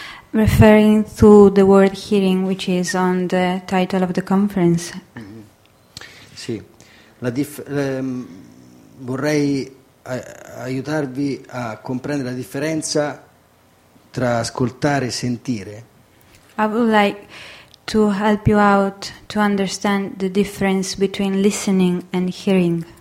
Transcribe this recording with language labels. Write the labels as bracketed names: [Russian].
[English] Referring to the word hearing, which is on the title of the conference. [Italian] Sì. Vorrei aiutarvi a comprendere la differenza tra ascoltare e sentire. [English] I would like to help you out to understand the difference between listening and hearing.